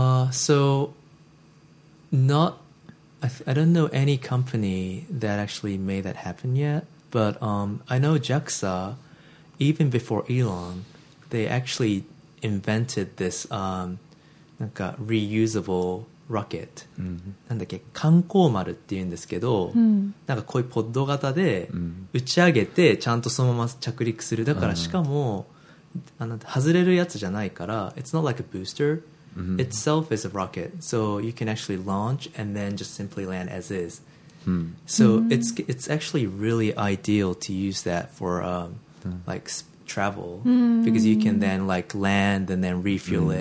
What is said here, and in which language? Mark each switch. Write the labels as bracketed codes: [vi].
[en] So not I don't know any company that actually made that happen yet, but I know JAXA, even before Elon, they actually invented this [ja] なんか [en] reusable rocket、 mm-hmm. [ja] なんだっけ観光丸っていうんですけど、 mm-hmm. なんかこういうポッド型で打ち上げてちゃんとそのまま着陸する。だからしかも、mm-hmm. あの外れるやつじゃないから [en] It's not like a booster Mm-hmm. itself is a rocket, so you can actually launch and then just simply land as is. Mm. So mm-hmm. it's actually really ideal to use that for like travel mm-hmm. because you can then like land and then refuel mm-hmm.